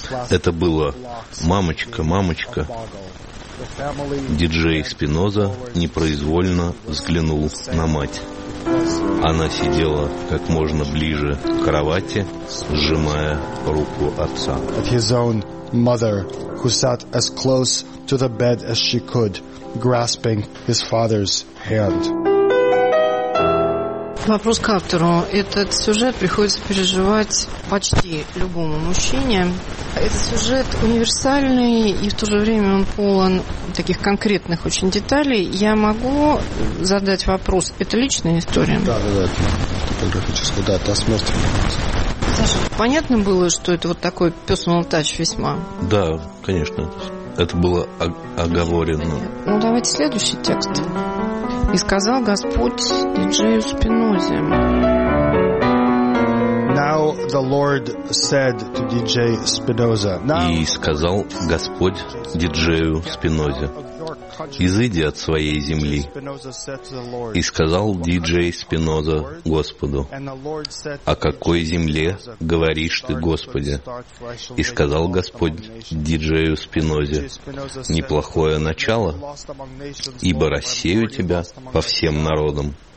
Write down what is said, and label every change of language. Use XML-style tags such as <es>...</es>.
<ru>Это было «Мамочка, мамочка». Диджей Спиноза непроизвольно взглянул на мать. Она сидела как можно ближе к кровати, сжимая руку отца.</ru> <en>His own mother, who sat as close to the bed as she could, grasping his father's hand.</en> <ru>Вопрос к автору. Этот сюжет приходится переживать почти любому мужчине. Этот сюжет универсальный, и в то же время он полон таких конкретных очень деталей. Я могу задать вопрос? Это личная история? Да, да, да. Фотографическая, да, та смерть. Саша, понятно было, что это вот такой</ru> <en>personal touch</en> <ru>весьма? Да, конечно. Это было оговорено. Ну, давайте следующий текст. И сказал Господь диджею Спинозе.</ru> <en>Now the Lord said to DJ Spinoza.</en> <ru>И сказал Господь диджею Спинозе: «Изыди от своей земли». И сказал диджей Спиноза Господу: «О какой земле говоришь ты, Господи?» И сказал Господь диджею Спинозе: «Неплохое начало, ибо рассею тебя по всем народам».</ru>